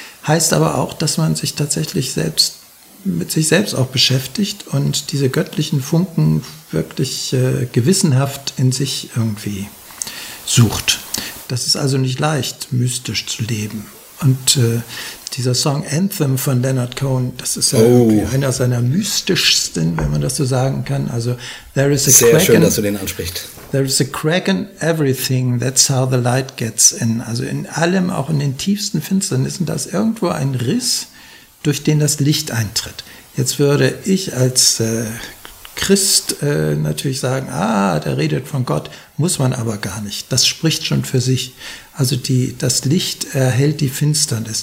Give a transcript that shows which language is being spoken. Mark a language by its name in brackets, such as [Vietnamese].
[German] Heißt aber auch, dass man sich tatsächlich selbst mit sich selbst auch beschäftigt und diese göttlichen Funken wirklich gewissenhaft in sich irgendwie sucht. Das ist also nicht leicht, mystisch zu leben. Und dieser Song Anthem von Leonard Cohen, das ist ja einer seiner mystischsten, wenn man das so sagen kann. Also, [English] there is a [German] Sehr Kraken, schön, dass du den ansprichst. [English] There is a crack in everything, that's how the light gets in. [German] Also in allem, auch in den tiefsten Finsternissen, da ist irgendwo ein Riss, durch den das Licht eintritt. Jetzt würde ich als Christ natürlich sagen, der redet von Gott, muss man aber gar nicht. Das spricht schon für sich. Also das Licht erhellt die Finsternis.